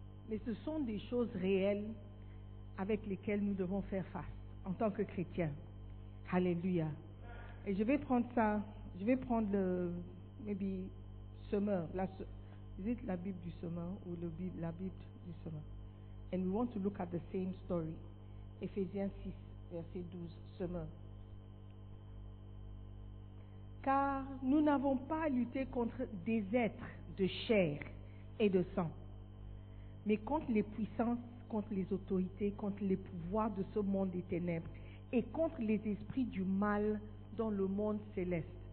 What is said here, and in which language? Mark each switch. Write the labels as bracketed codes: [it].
[fr] Mais ce sont des choses réelles avec lesquelles nous devons faire face en tant que chrétiens. Alléluia. Et je vais prendre ça, je vais prendre le, [en] maybe, [fr] semeur, la Bible du semeur ou la Bible du semeur. [en] And we want to look at the same story. [fr] Éphésiens 6, verset 12, semeur. Car nous n'avons pas à lutter contre des êtres de chair et de sang, mais contre les puissances, contre les autorités, contre les pouvoirs de ce monde des ténèbres et contre les esprits du mal dans le monde céleste.